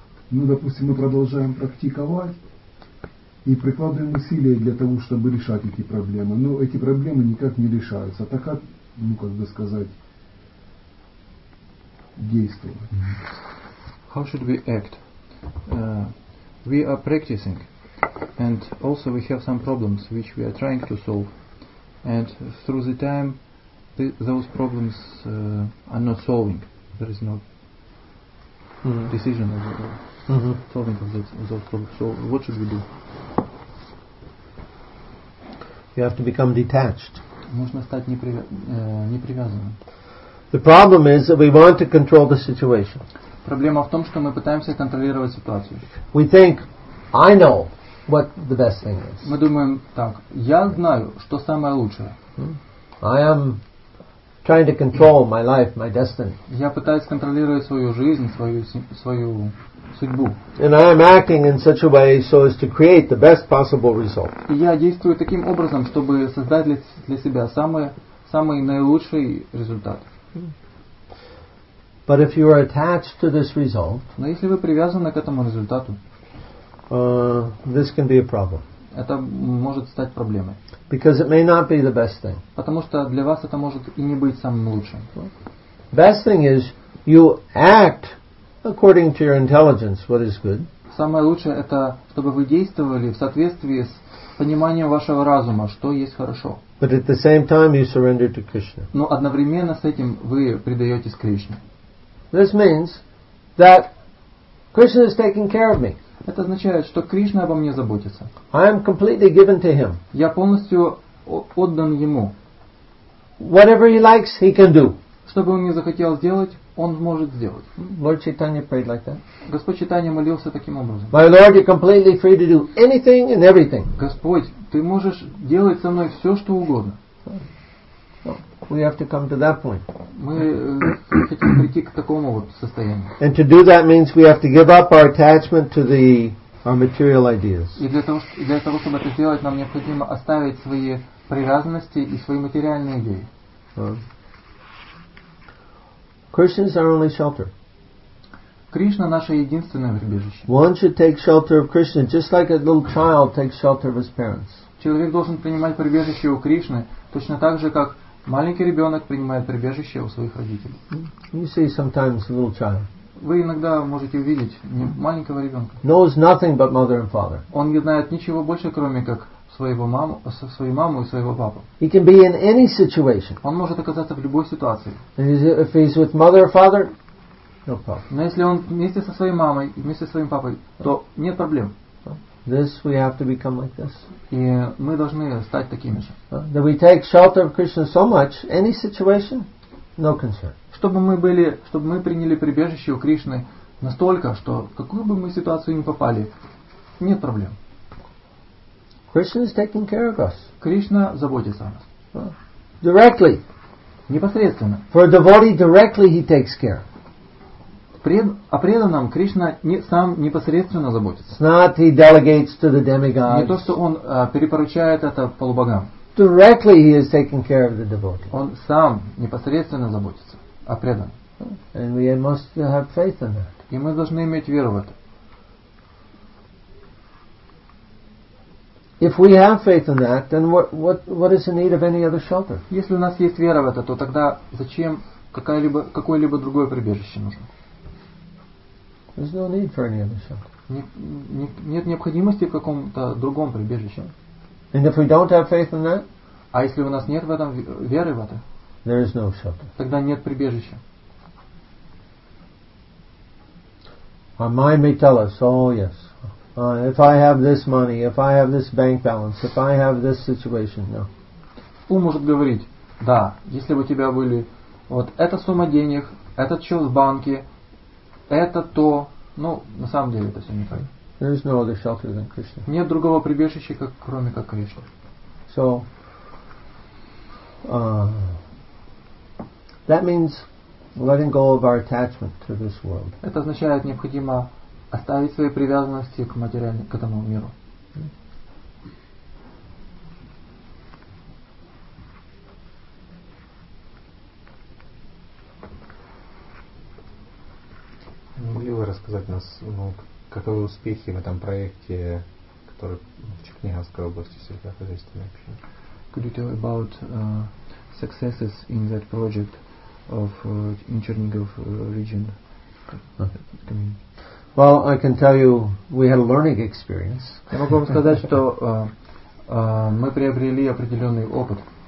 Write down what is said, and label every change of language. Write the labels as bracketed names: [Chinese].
[Russian] Ну, допустим, мы продолжаем практиковать и прикладываем усилия для того, чтобы решать эти проблемы, но эти проблемы никак не решаются. Так как, ну, как бы сказать, действовать? [English] How should we act? We are practicing. And also we have some problems which we are trying to solve, and through the time those problems are not solving. There is no decision of solving of those problems. So what should we do? You have to become detached. [Russian] Можно стать непривязанным. [English] The problem is that we want to control the situation. [Russian] Проблема в том, что мы пытаемся контролировать ситуацию. [English] We think, I know what the best thing is. [Russian] Мы думаем так. Я знаю, что самое лучшее. [English] I am trying to control my life, my destiny. [Russian] Я пытаюсь контролировать свою жизнь, свою судьбу. [English] And I am acting in such a way so as to create the best possible result. [Russian] И я действую таким образом, чтобы создать для себя самый наилучший результат. [English] But if you are attached to this result, [Russian] но если вы привязаны к этому результату, [English] This can be a problem. [Russian] Это может стать проблемой. [English] Because it may not be the best thing. [Russian] Потому что для вас это может и не быть самым лучшим. [English] Best thing is you act according to your intelligence, what is good. [Russian] Самое лучшее это чтобы вы действовали в соответствии с пониманием вашего разума, что есть хорошо. [English] But at the same time you surrender to Krishna. [Russian] Но одновременно с этим вы предаетесь Кришне. [English] This means that Krishna is taking care of me. [Russian] Это означает, что Кришна обо мне заботится. [English] I am completely given to him. [Russian] Я полностью отдан ему. [English] Whatever he likes, he can do. [Russian] Что бы он ни захотел сделать, он может сделать. [English] Lord Chaitanya prayed like that. [Russian] Господь Чайтанья молился таким образом. [English] My Lord, you're completely free to do anything and everything. [Russian] Господь, ты можешь делать со мной все, что угодно. [English] We have to come to that point. [Russian] Мы хотим прийти к такому вот состоянию. [English] And to do that means we have to give up our attachment to our material ideas. [Russian] И для того, чтобы это сделать, нам необходимо оставить свои привязанности и свои материальные идеи. [English] Krishna is our only shelter. [Russian] Кришна наше единственное прибежище. [English] One should take shelter of Krishna, just like a little child takes shelter of his parents. [Russian] Человек должен принимать прибежище у Кришны точно так же, как маленький ребенок принимает прибежище у своих родителей. [English] You see sometimes a little child. [Russian] Вы иногда можете увидеть маленького ребенка. [English] Knows nothing but mother and father. [Russian] Он не знает ничего больше, кроме как свою маму и своего папу. [English] He can be in any situation. [Russian] Он может оказаться в любой ситуации. [English] If he's with mother or father, no problem. [Russian] Но если он вместе со своей мамой, вместе со своим папой, то нет проблем. [English] this, we have to become like this. [Russian] И мы должны стать такими же. [English] That we take shelter of Krishna so much, any situation, no concern. [Russian] Чтобы мы приняли прибежище у Кришны настолько, что какую бы мы ситуацию ни попали, нет проблем. [English] Krishna is taking care of us. [Russian] Кришна заботится о нас. [English] Directly. [Russian] Непосредственно. [English] For a devotee directly he takes care. [Russian] О преданном Кришна сам непосредственно заботится. [English] It's not he delegates to the demigods. [Russian] Не то, что он перепоручает это полубогам. [English] Directly he is taking care of the devotee. [Russian] Он сам непосредственно заботится о преданном. [English] And we must have faith in that. [Russian] И мы должны иметь веру в это. [English] If we have faith in that, then what is the need of any other shelter? [Russian] Если у нас есть вера в это, то тогда зачем какое-либо другое прибежище нужно? [English] There's no need for any other shelter. [Russian] Нет необходимости в каком-то другом прибежище. [English] And if we don't have faith in that, [Russian] а если у нас нет в этом веры в это, [English] there is no shelter. [Russian] Тогда нет прибежища. [English] Our mind may tell us, oh yes. If I have this money, if I have this bank balance, if I have this situation, no. [Russian] Ум может говорить, да, если бы у тебя были вот эта сумма денег, этот счет в банке, это то, ну, на самом деле это все не так. [English] There is no other shelter than Krishna. [Russian] Нет другого прибежища, как, кроме как Кришна. [English] So, that means letting go of our attachment to this world. [Russian] Это означает необходимо оставить свои привязанности к материальному, к этому миру. Могли бы рассказать нас, ну, каковы успехи в этом проекте, который в Черниговской области сельскохозяйственной общины? [English] Could you tell about successes in that project of in Chernigov region? Okay. Well, I can tell you, we had a learning experience. [Russian] Я могу вам сказать, что мы приобрели определенный опыт.